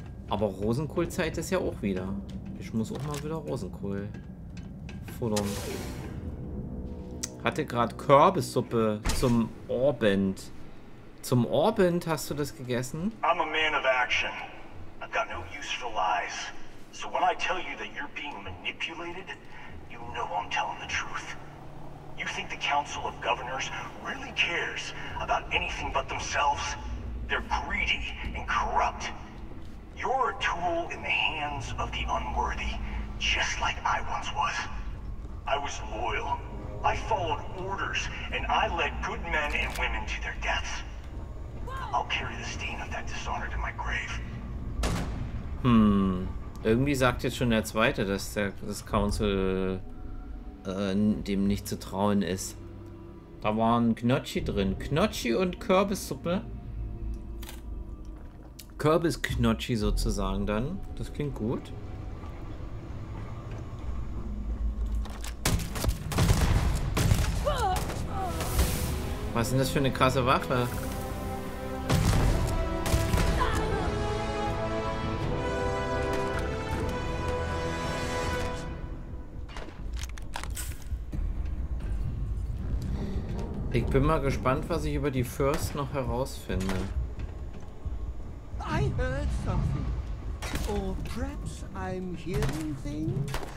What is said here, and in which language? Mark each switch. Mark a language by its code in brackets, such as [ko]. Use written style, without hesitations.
[de] Aber Rosenkohlzeit ist ja auch wieder. Ich muss auch mal wieder Rosenkohl futtern. Hatte gerade Kürbissuppe zum Orbend. Zum Orbend hast du das gegessen? [en] I'm a man of action. I've got no use for lies. So when I tell you that you're being manipulated, you know I'm telling the truth. You think the Council of Governors really cares about anything but themselves? They're greedy and corrupt. You're a tool in the hands of the unworthy, just like I once was. I was loyal. I followed orders, and I led good men and women to their deaths. I'll carry the stain of that dishonor to my grave. [de] Irgendwie sagt jetzt schon der Zweite, dass das Council dem nicht zu trauen ist. Da waren Gnocchi drin. Gnocchi und Kürbissuppe. Kürbis-Gnocchi sozusagen dann. Das klingt gut. Was ist denn das für eine krasse Waffe? Ich bin mal gespannt, was ich über die First noch herausfinde. [en] I heard something. Or perhaps I'm hearing things.